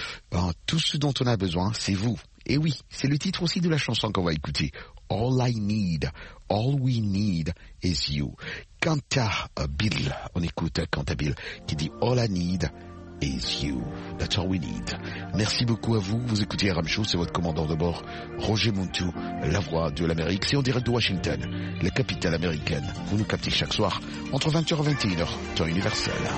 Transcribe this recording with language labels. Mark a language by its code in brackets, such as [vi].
[fr] Ben, tout ce dont on a besoin, c'est vous. Et oui, c'est le titre aussi de la chanson qu'on va écouter. [en] All I need, all we need is you. [fr] Quanta Bill, on écoute Quanta Bill qui dit [en] All I need is you. That's all we need. [fr] Merci beaucoup à vous. Vous écoutez RM Show, c'est votre commandant de bord, Roger Muntu, la voix de l'Amérique. C'est en direct de Washington, la capitale américaine. Vous nous captez chaque soir entre 20h et 21h, temps universel.